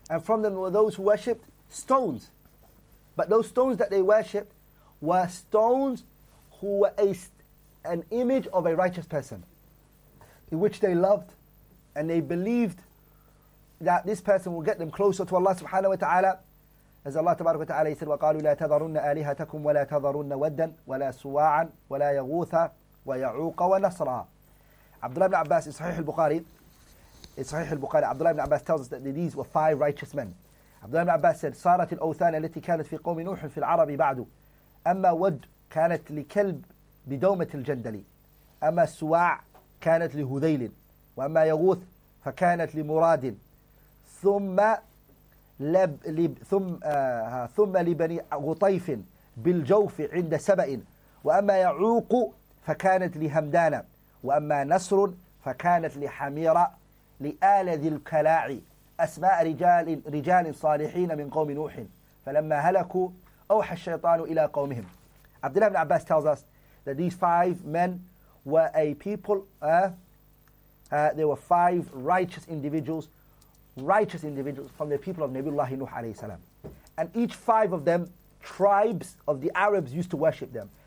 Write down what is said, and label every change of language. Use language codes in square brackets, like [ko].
[en] And from them were those who worshipped stones. But those stones that they worshipped were stones who were an image of a righteous person, in which they loved, and they believed that this person will get them closer to Allah subhanahu wa ta'ala. As Allah tabarak wa ta'ala said, [ar] وَقَالُوا لَا تَذَرُنَّ آلِهَتَكُمْ وَلَا تَذَرُنَّ وَدًّا وَلَا سُوَاعًا وَلَا يَغُوثَ وَيَعُوقَ وَنَصْرًا. [en] Abdullah ibn Abbas in Sahih al-Bukhari, Abdullah ibn Abbas tells us that these were five righteous men. [ar] Abdullah ibn Abbas said, صارت الأوثان التي كانت في قوم نوح في العرب بعد أما ود كانت لكلب بدومة الجندلي أما سواع كانت لهذيل وأما يغوث فكانت لمراد ثم لبني غطيف بالجوف عند سبأ وأما يعوق فكانت لهمدان وأما نصر فكانت لحميرة لآل ذي الكلاع أسماء رجال صالحين من قوم نوح فلما هلكوا أوحى الشيطان إلى قومهم. [en] Abdullah ibn Abbas tells us that these five men were a people, they were five righteous individuals from the people of Nabiullah Nuh alayhi salam. And each five of them, tribes of the Arabs used to worship them.